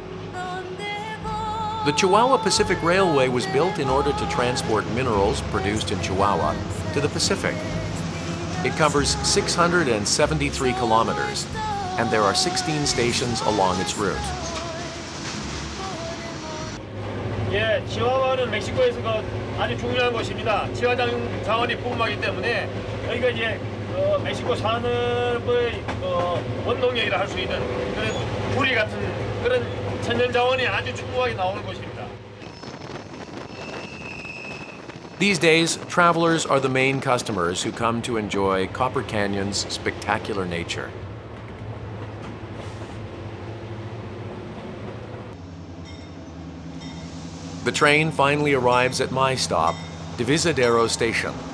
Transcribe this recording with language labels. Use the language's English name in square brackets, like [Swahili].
[English] The Chihuahua Pacific Railway was built in order to transport minerals produced in Chihuahua to the Pacific. It covers 673 kilometers, and there are 16 stations along its route. Yeah, [Korean] Chihuahua는 멕시코에서 아주 중요한 곳입니다. 지하 자원이 풍부하기 때문에 여기가 이제 멕시코 산업의 원동력이라 할 수 있는 그런 구리 같은 그런 천연 자원이 아주 풍부하게 나오는 곳입니다. [English] These days, travelers are the main customers who come to enjoy Copper Canyon's spectacular nature. The train finally arrives at my stop, Divisadero Station.